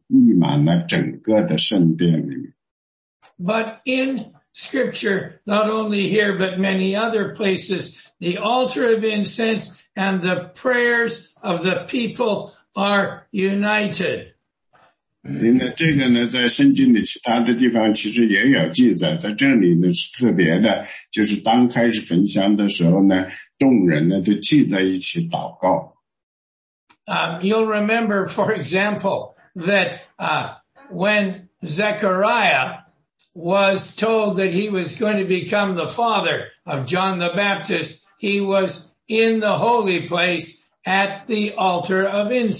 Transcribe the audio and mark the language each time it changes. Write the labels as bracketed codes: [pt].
[zh] 这个呢，其实当时的祭司呢，他早晚呢都要到那个焚香的祭坛上去，把那个祭坛点着，然后那个就加热了那个香气，那个香气呢就溢满了整个的圣殿里面。 [en] But in scripture, not only here, but many other places, the altar of incense and the prayers of the people are united. [zh] 这个呢，在圣经的其他的地方其实也有记载，在这里呢是特别的，就是当开始焚香的时候呢，众人呢都聚在一起祷告。 [en] You'll remember, for example, that when Zechariah was told that he was going to become the father of John the Baptist, he was in the holy place at the altar of